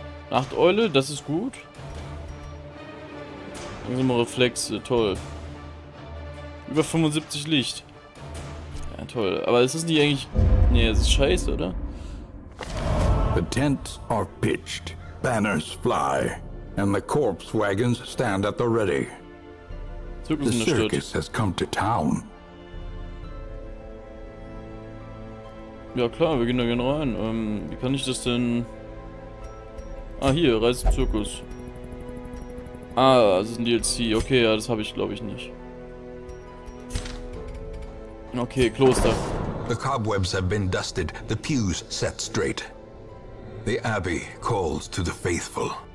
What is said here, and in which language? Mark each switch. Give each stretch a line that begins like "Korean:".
German: Nachteule, das ist gut. Langsame Reflexe, toll. Über 75 Licht. Ja, toll. Aber ist das nicht eigentlich. Nee, das ist scheiße, oder?
English: The tents are pitched, banners fly, and the corpse wagons stand at the ready. The circus has come to town.
German: Ja, klar, wir gehen da gerne rein. Wie kann ich das denn. Ah, hier, Reise im Zirkus. Ah, das ist ein DLC. Okay, ja, das habe ich, glaube ich, nicht. Okay, Kloster.
English: The cobwebs have been dusted, the pews set straight. The abbey calls to the faithful.